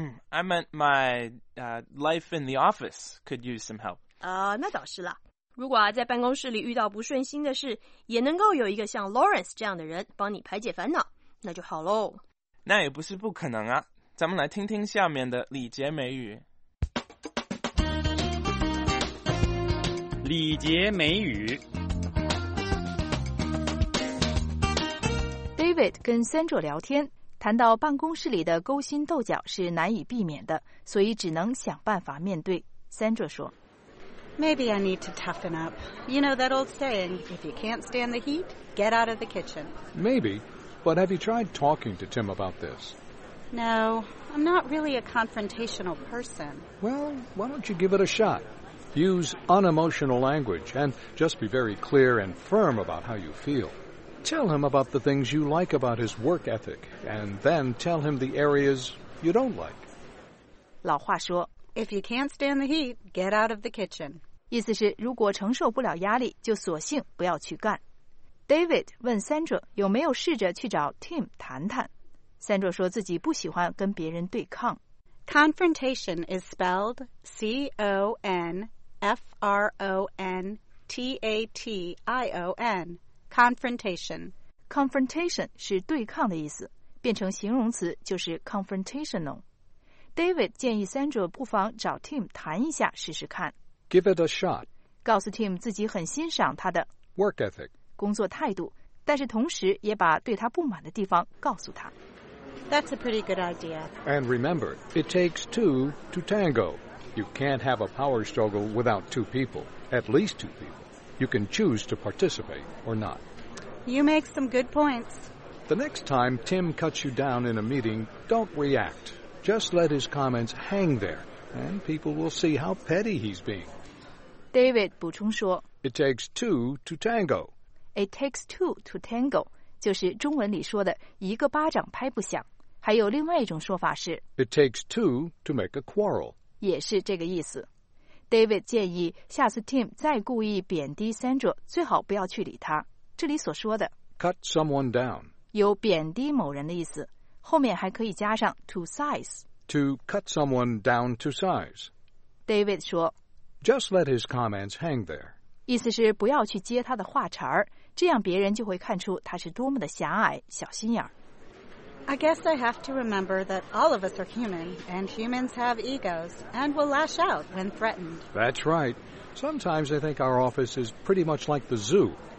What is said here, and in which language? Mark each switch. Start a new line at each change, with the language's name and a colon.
English: I meant my life in the office could use some help.
Chinese: 那倒是啦。如果啊，在办公室里遇到不顺心的事，也能够有一个像 Lawrence 这样的人帮你排解烦恼，那就好喽。那也不是不可能啊。咱们来听听下面的礼节美语。礼节美语。 David 跟 Sandra 聊天，谈到办公室里的勾心斗角是难以避免的，所以只能想办法面对。Sandra 说。
English: Maybe I need to toughen up. You know that old saying, if you can't stand the heat, get out of the kitchen. Maybe, but have you tried talking to Tim about this? No, I'm not really a confrontational person. Well, why don't you give it a shot? Use unemotional language and just be very clear and firm about how you feel. Tell him about the things you like about his work ethic, and then tell him the areas you don't like.
Chinese: 老话说
English: If you can't stand the heat, get out of the kitchen.
Chinese: 意思是如果承受不了压力就索性不要去干。 David 问 Sandra 有没有试着去找 Tim 谈谈。 Sandra 说自己不喜欢跟别人对抗。
English: Confrontation is spelled C-O-N-F-R-O-N-T-A-T-I-O-N. Confrontation.
Chinese: Confrontation 是对抗的意思，变成形容词就是 confrontational。 David 建议 Sandra 不妨找 Tim 谈一下试试看。
English: Give it a shot.
Chinese: 告诉 Tim 自己很欣赏他的
English: work ethic
Chinese: 工作态度，但是同时也把对他不满的地方告诉他。
English: That's a pretty good idea. And remember, it takes two to tango. You can't have a power struggle without two people, at least two people. You can choose to participate or not. You make some good points. The next time Tim cuts you down in a meeting, don't react. Just let his comments hang there and people will see how petty he's being.
Chinese: David 补充说,
English: It takes two to tango. It takes two to tango,
Chinese: 就是中文里说的一个巴掌拍不响。还有另外一种说法是
English: It takes two to make a quarrel.
Chinese: 也是这个意思。David 建议下次 Tim 再故意贬低 Sandra, 最好不要去理他。这里所说的
English: Cut someone down.
Chinese: 有贬低某人的意思。后面还可以加上 to size.
English: To cut someone down to size.
Chinese: David 说
English: Just let his comments hang there.
Chinese: 意思是不要去接他的话茬儿，这样别人就会看出他是多么的狭隘、小心眼儿。
English: I guess I have to remember that all of us are human, and humans have egos, and will lash out when threatened. That's right. Sometimes I think our office is pretty much like the zoo.